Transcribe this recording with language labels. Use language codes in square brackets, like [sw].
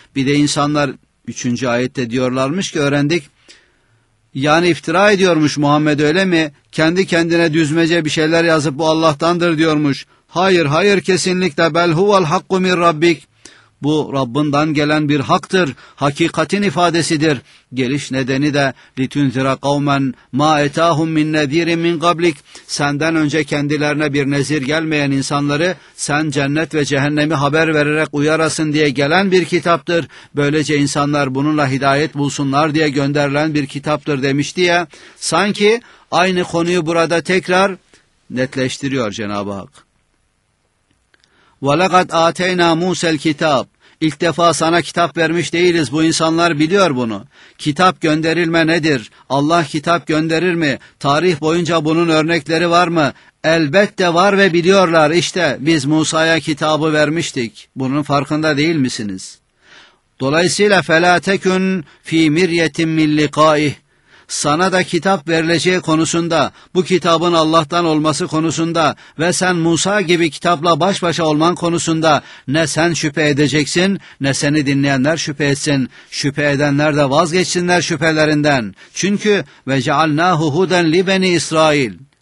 [tr] Bir de insanlar 3. ayette diyorlarmış ki, öğrendik. Yani iftira ediyormuş Muhammed, öyle mi? Kendi kendine düzmece bir şeyler yazıp bu Allah'tandır diyormuş. Hayır, hayır, kesinlikle. [ar] Bel huvel hakku min Rabbik. [tr] Bu Rabbinden gelen bir haktır, hakikatin ifadesidir. Geliş nedeni de [ar] لِتُنْذِرَ قَوْمًا مَا اَتَاهُمْ مِنْ نَذ۪يرٍ مِنْ قَبْلِكَ. [tr] Senden önce kendilerine bir nezir gelmeyen insanları sen cennet ve cehennemi haber vererek uyarasın diye gelen bir kitaptır. Böylece insanlar bununla hidayet bulsunlar diye gönderilen bir kitaptır demişti ya. Sanki aynı konuyu burada tekrar netleştiriyor Cenab-ı Hak. [ar] وَلَقَدْ آتَيْنَا مُوسَ الْكِتَابِ. [tr] İlk defa sana kitap vermiş değiliz, bu insanlar biliyor bunu. Kitap gönderilme nedir? Allah kitap gönderir mi? Tarih boyunca bunun örnekleri var mı? Elbette var ve biliyorlar. İşte biz Musa'ya kitabı vermiştik. Bunun farkında değil misiniz? [ar] Dolayısıyla فَلَا تَكُنْ فِي مِرْيَةٍ مِنْ لِقَائِهِ. [tr] Sana da kitap verileceği konusunda, bu kitabın Allah'tan olması konusunda ve sen Musa gibi kitapla baş başa olman konusunda ne sen şüphe edeceksin, ne seni dinleyenler şüphe etsin. Şüphe edenler de vazgeçsinler şüphelerinden. Çünkü [ar] ve cealnâhu huden li beni İsrail.